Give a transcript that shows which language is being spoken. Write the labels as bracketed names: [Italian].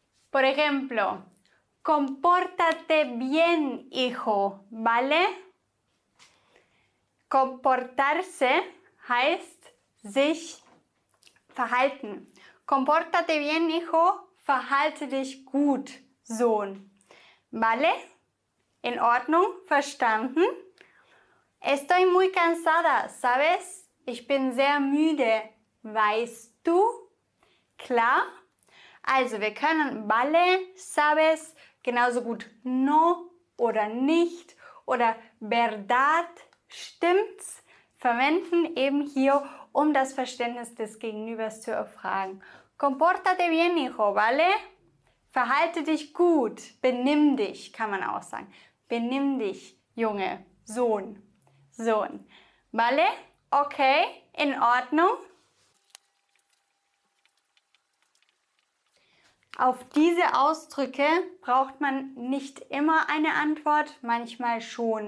[Spanish] Por ejemplo, compórtate bien, hijo, ¿vale? [German] Comportarse heißt sich verhalten. [Spanish] Compórtate bien, hijo, [German] verhalte dich gut, Sohn. ¿Vale? In Ordnung, verstanden. [Spanish] Estoy muy cansada, ¿sabes? [German] Ich bin sehr müde, weißt du? Klar. Also, wir können vale, sabes, genauso gut no oder nicht oder verdad, stimmt's, verwenden eben hier, um das Verständnis des Gegenübers zu erfragen. [Spanish] Comportate bien, hijo, vale? [German] Verhalte dich gut, benimm dich, kann man auch sagen. Benimm dich, Junge, Sohn, Sohn. Vale? Okay, in Ordnung. Auf diese Ausdrücke braucht man nicht immer eine Antwort, manchmal schon.